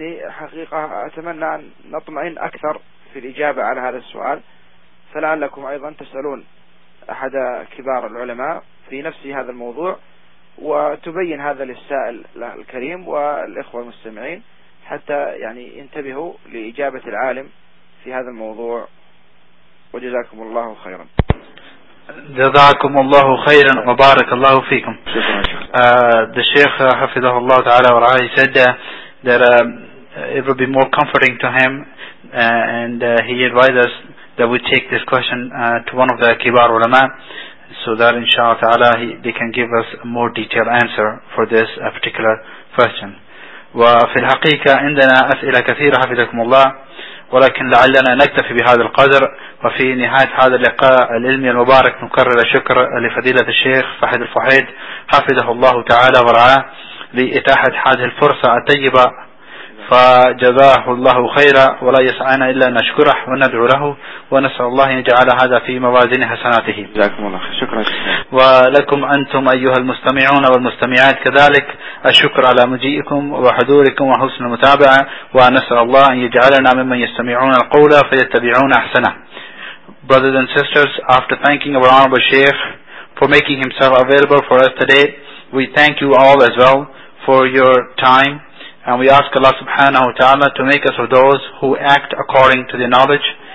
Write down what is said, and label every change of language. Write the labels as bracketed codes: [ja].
[ar] حقيقة أتمنى أن نطمئن أكثر في الإجابة على هذا السؤال، فلعلكم أيضا تسألون أحد كبار العلماء في نفس هذا الموضوع وتبين هذا للسائل الكريم والإخوة المستمعين، حتى يعني ينتبهوا لإجابة العالم في هذا الموضوع، وجزاكم الله خيرا. جزاكم الله خيرا وبارك الله فيكم. الشيخ حفظه الله تعالى ورعاه [en] said that it would be more comforting to him and he advised us that we take this question to one of the kibar ulama, so that inshallah ta'ala they can give us a more detailed answer for this particular question. [ar] وفي الحقيقة عندنا أسئلة كثيرة حفظكم الله، ولكن لعلنا نكتفي بهذا القدر. وفي نهاية هذا اللقاء العلمي المبارك نكرر الشكر لفضيلة الشيخ فهد الفحيد حفظه الله تعالى ورعاه لإتاحة هذه الفرصة الطيبة فجزاه الله خيرا ولا يسعنا إلا نشكره وندعو له ونسأل الله أن يجعل هذا في موازين حسناته. جزاكم الله خير. شكرا شكرا. ولكم أنتم أيها المستمعون والمستمعات كذلك الشكر على مجيئكم وحضوركم وحسن المتابعة، ونسأل الله أن يجعلنا ممن يستمعون القول فيتبعون أحسنه. [en] Brothers and sisters, after thanking our honorable Sheikh for making himself available for us today, we thank you all as well for your time, and we ask Allah subhanahu wa ta'ala to make us of those who act according to their knowledge.